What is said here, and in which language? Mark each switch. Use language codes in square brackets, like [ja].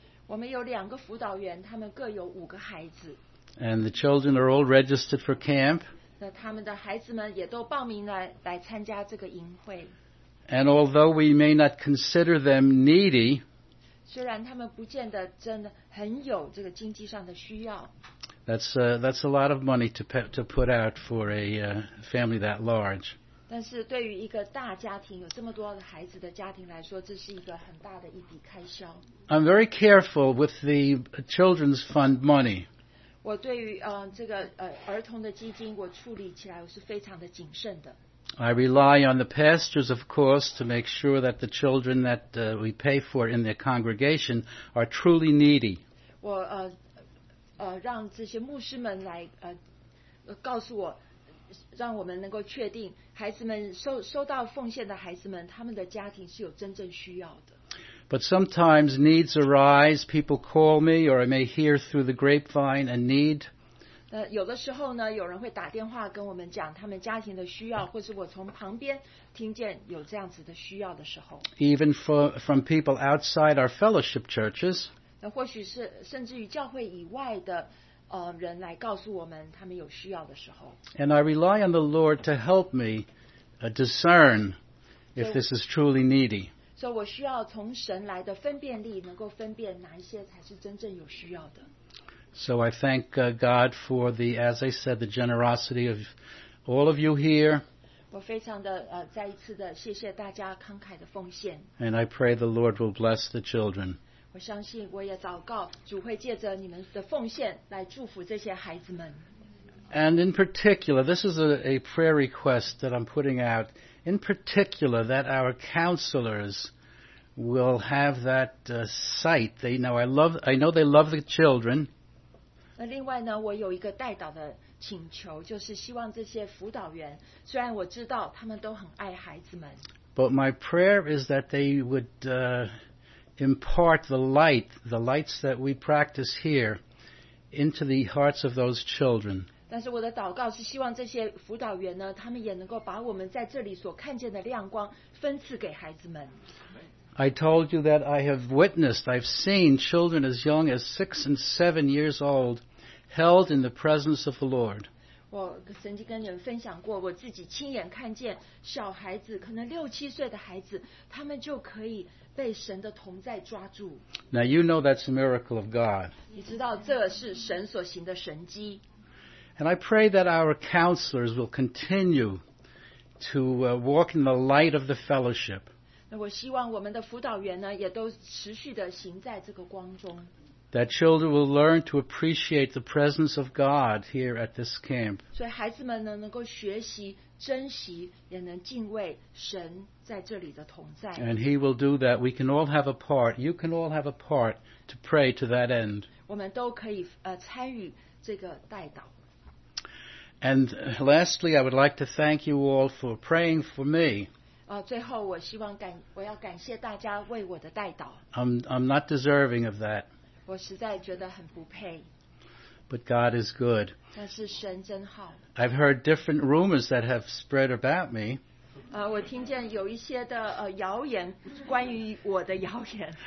[zh] 我们有两个辅导员，他们各有五个孩子。 [en] And the children are all registered for camp. [zh] 那他们的孩子们也都报名来参加这个营会。 [en] And although we may not consider them needy, [zh] 虽然他们不见得真的很有这个经济上的需要。 [en] That's a lot of money to put out for a family that large. [zh] 但是对于一个大家庭，有这么多孩子的家庭来说，这是一个很大的一笔开销。 [en] I'm very careful with the children's fund money. [zh] 我对于这个儿童的基金，我处理起来我是非常的谨慎的。 [en] I rely on the pastors, of course, to make sure that the children that we pay for in their congregation are truly needy. [zh] 我让这些牧师们来告诉我，让我们能够确定孩子们收到奉献的孩子们，他们的家庭是有真正需要的。 [en] But sometimes needs arise. People call me, or I may hear through the grapevine a need. [zh] 有的时候呢，有人会打电话跟我们讲他们家庭的需要，或是我从旁边听见有这样子的需要的时候。 [en] Even from people outside our fellowship churches. [zh] 或许是甚至于教会以外的人来告诉我们他们有需要的时候。 [en] And I rely on the Lord to help me discern if this is truly needy. [zh] 所以我需要从神来的分辨力能够分辨哪一些才是真正有需要的。 [en] So I thank God for the, as I said, the generosity of all of you here. [zh] 我非常的再一次的谢谢大家慷慨的奉献。 [en] And I pray the Lord will bless the children. [zh] 我相信我也祷告主会借着你们的奉献来祝福这些孩子们。 [en] And in particular, this is a prayer request that I'm putting out. In particular, that our counselors will have that sight. They know I know they love the children. [zh] 那另外呢，我有一个代祷的请求，就是希望这些辅导员，虽然我知道他们都很爱孩子们。 [en] But my prayer is that they would impart the lights that we practice here, into the hearts of those children. [zh] 但是我的祷告是希望这些辅导员呢，他们也能够把我们在这里所看见的亮光分赐给孩子们。 [en] I told you that I have witnessed, I've seen children as young as 6 and 7 years old held in the presence of the Lord. [zh] 我曾经跟你们分享过，我自己亲眼看见小孩子，可能六七岁的孩子，他们就可以被神的同在抓住。 [en] Now you know that's a miracle of God. [zh] 你知道这是神所行的神迹。 [en] And I pray that our counselors will continue to walk in the light of the fellowship. [zh] 我希望我们的辅导员呢，也都持续地行在这个光中。 [en] That children will learn to appreciate the presence of God here at this camp. [zh] 所以孩子们呢，能够学习珍惜，也能敬畏神在这里的同在。 [en] And He will do that. We can all have a part. You can all have a part to pray to that end. [zh] 我们都可以参与这个代祷。 [en] And lastly, I would like to thank you all for praying for me. [zh] 最后我希望我要感谢大家为我的代祷。 [en] I'm not deserving of that. [zh] 我实在觉得很不配。 [en] But God is good. [zh] 但是神真好。 [en] I've heard different rumors that have spread about me. [zh] 我听见有一些的谣言，关于我的谣言。